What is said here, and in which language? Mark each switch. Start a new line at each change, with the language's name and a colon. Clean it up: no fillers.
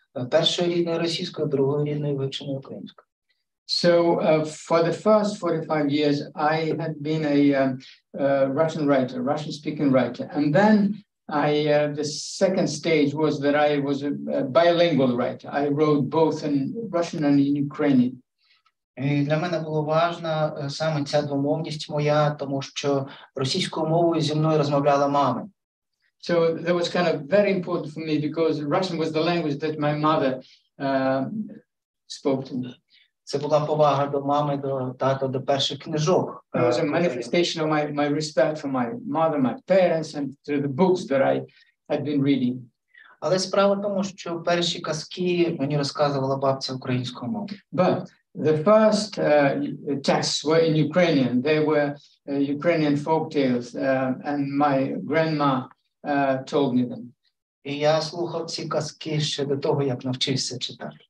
Ukrainian: Першою рідною російською, другою рідною вивченою українською.
English: So for the first 45 years, I had been a Russian writer, Russian-speaking writer. And then the second stage was that I was a bilingual writer. I wrote both in Russian and in Ukrainian.
Ukrainian: І для мене було важна саме ця двомовність моя, тому що російською мовою зі мною розмовляла мама.
English: So that was kind of very important for me because Russian was the language that my mother spoke to me.
Ukrainian: Це була повага до мами, до тата, до перших книжок.
English: It was a manifestation of my respect for my mother, my parents, and to the books that I had been reading.
Ukrainian: Але справа в тому, що перші казки мені розказувала бабця українською мовою.
English: But the first texts were in Ukrainian. They were Ukrainian folk tales, and my grandma told me them.
Ukrainian: І я слухав ці казки ще до того, як навчився читати.